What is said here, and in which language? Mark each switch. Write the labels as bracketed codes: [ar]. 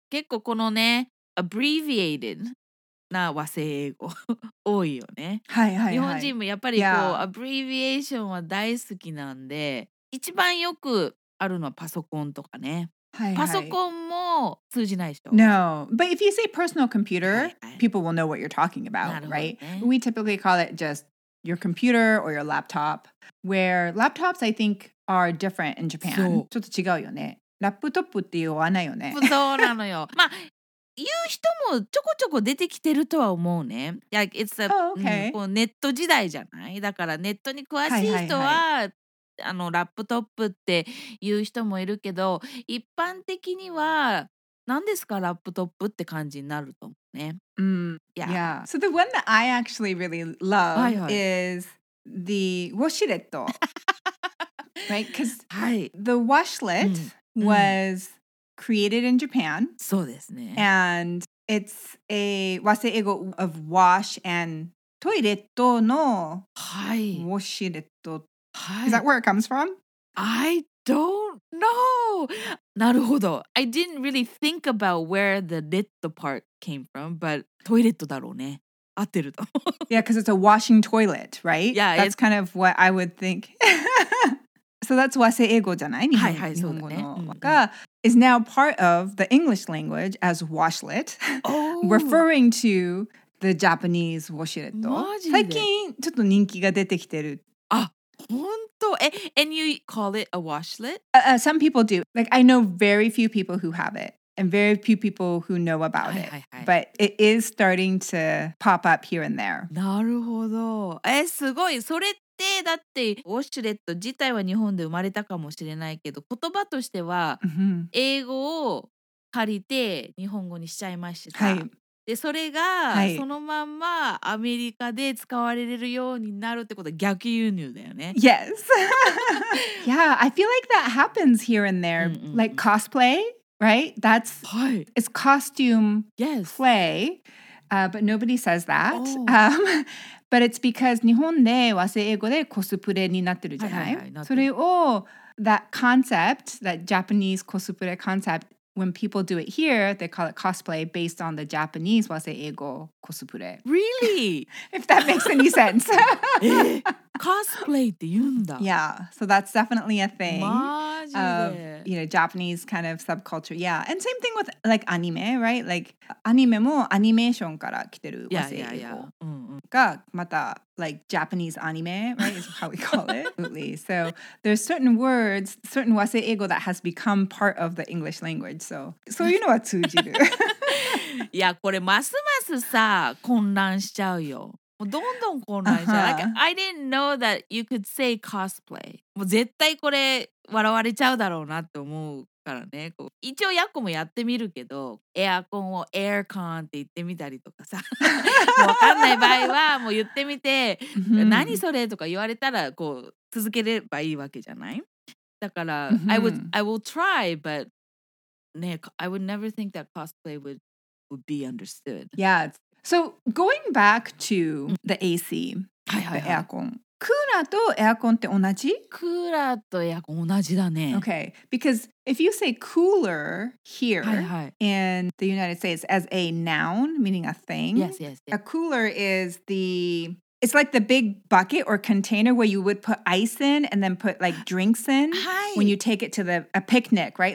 [ja] 結構このね、abbreviated な和製英語多いよね。はいはいはい。日本人もやっぱりこう、yeah. abbreviation は大好きなんで、一番よくあるのはパソコンとかね。はいはい。パソコンも通じないでしょ。 [en] No, but if you say personal computer, [ja] はい、はい、 [en] people will know what you're talking about, right?、 [ja] ね、 [en] We typically call it just... Your computer or your laptop, where laptops, I think, are different in Japan. [ja] そう。ちょっと違うよね。ラップトップって言わないよね。そうなのよ。まあ、言う人もちょこちょこ出てきてるとは思うね。 [en] Like, it's a, oh, okay. [ja] うん、ネット時代じゃない?だからネットに詳しい人は、はいはいはい、あのラップトップって言う人もいるけど、一般的には何ですかラップトップって感じになると思うね。 [en] Mm. Yeah. yeah. So the one that I actually really love [ja] はい、はい、 [en] is the washlet. right? Because、 [ja] はい、 [en] the washlet、うん、was、うん、created in Japan. [ja] そうですね。 [en] And it's a 和製英語 of wash and toilet の、 [ja] はい、 [en] washlet.、 [ja] はい、 [en] is that where it comes from? I don't know. [ja] なるほど。 [en] I didn't really think about where the lit part. Came from, but toilet [ja] だろうね。合ってると。 [en] Yeah, because it's a washing toilet, right? Yeah, that's it's... kind of what I would think. so that's [ja] 和製英語じゃない? はいはい、そうだね。日本語の、が、 [en] is now part of the English language as washlet,、 oh. referring to the Japanese washlet. [ja] マジで? 最近ちょっと人気が出てきてる。あ、本当?え、 [en] and you call it a washlet? Some people do. Like, I know very few people who have it. And very few people who know about it. はいはい、はい、 But it is starting to pop up here and there. [ja] なるほど。すごい。それってだってウォッシュレット自体は日本で生まれたかもしれないけど言葉としては英語を借りて日本語にしちゃいました。はい、でそれがそのまんまアメリカで使われるようになるってことは逆輸入だよね。 [en] Yes. yeah, I feel like that happens here and there. Like cosplay. Right? That's, it's costume yes. play, but nobody says that. Oh. But it's because [ja] 日本で和製英語でコスプレになってるじゃない? はいはい、はい、それを [en] that concept, that Japanese cosplay concept, when people do it here, they call it cosplay based on the Japanese waseego cosplay. Really? If that makes any sense. [ja] Cosplay って言うんだ。 [en] Yeah, so that's definitely a thing. [ja] マジで? [en] You know, Japanese kind of subculture. Yeah, and same thing with like anime, right? Like anime [ja] もアニメーションから来てる waseego. [en] Yeah, yeah, yeah. [ja] がまた [en] like Japanese anime, right? Is how we call it. Absolutely. So there's certain words, certain waseego that has become part of the English language. So you know what [ja] 通じる。いや、これますますさ、混乱しちゃうよ。もうどんどん混乱しちゃう。 [en] Like, I didn't know that you could say cosplay. [ja] もう絶対これ笑われちゃうだろうなって思うからね。こう一応ヤコもやってみるけど、エアコンをエアコンって言ってみたりとかさ。わかんない場合はもう言ってみて、何それとか言われたらこう続ければいいわけじゃない？だから、 [en] I will try, but ね、I would never think that cosplay would be understood. Yeah, so going back to the AC, the aircon. [ja] クーラーとエアコンって同じ？クーラーとエアコン同じだね。 [en] Okay, because if you say cooler here in the United States as a noun, meaning a thing, yes. A cooler is the, it's like the big bucket or container where you would put ice in and then put like drinks in when you take it to a picnic, right?